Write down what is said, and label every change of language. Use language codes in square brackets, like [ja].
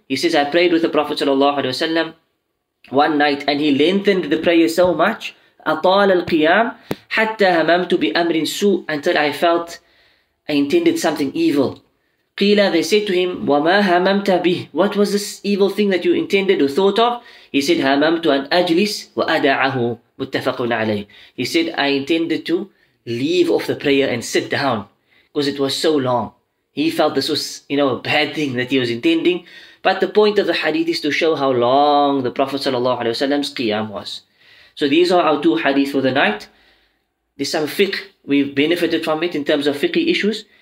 [en] He says, I prayed with the Prophet sallallahu alayhi wa sallam one night and he lengthened the prayer so much, [ar] أطال القيام حتى هممت بأمر سوء, [en] until I felt I intended something evil. [ar] قيل, [en] they said to him, [ar] وما هممت به, [en] what was this evil thing that you intended or thought of? He said, [ar] هممت أن أجلس وأدعه, متفق عليه. [en] He said, I intended to leave off the prayer and sit down because it was so long. He felt this was, you know, a bad thing that he was intending. But the point of the hadith is to show how long the Prophet sallallahu alaihi wasallam's qiyam was. So these are our two hadith for the night. There's some fiqh we've benefited from it in terms of fiqh issues.